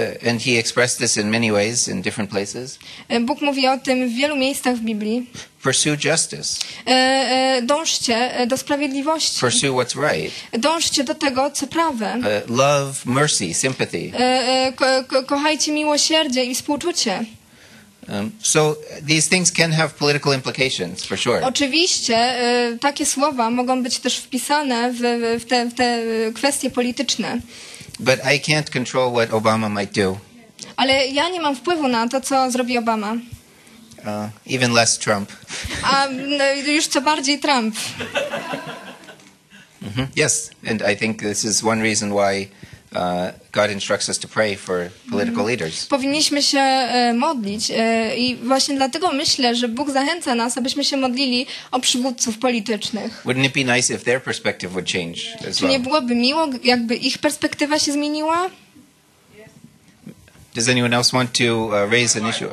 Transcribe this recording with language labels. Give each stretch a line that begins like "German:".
English: And he expressed this in many ways in different places.
Polish: Bóg mówi o tym w wielu miejscach w Biblii.
English: Pursue justice.
Polish: Dążcie do sprawiedliwości.
English: Pursue what's right.
Polish: Dążcie do tego, co prawe.
English: Love, mercy, sympathy.
Polish: Kochajcie miłosierdzie i współczucie.
English: So these things can have political implications, for sure.
Polish: Oczywiście, takie słowa mogą być też wpisane w te kwestie polityczne.
English: But I can't control what Obama might do.
Polish: Ale ja nie mam wpływu na to, co zrobi Obama.
English: Even less Trump.
Polish: A już co bardziej Trump. Mm-hmm.
English: Yes, and I think this is one reason why God instructs us to pray for political leaders.
Polish: Powinniśmy się modlić i właśnie dlatego myślę, że Bóg zachęca nas, abyśmy się modlili o przywódców politycznych.
English: Wouldn't it be nice if their perspective would change as well?
Polish: Czy nie byłoby miło, jakby ich perspektywa się zmieniła?
English: Does anyone else want to raise an issue?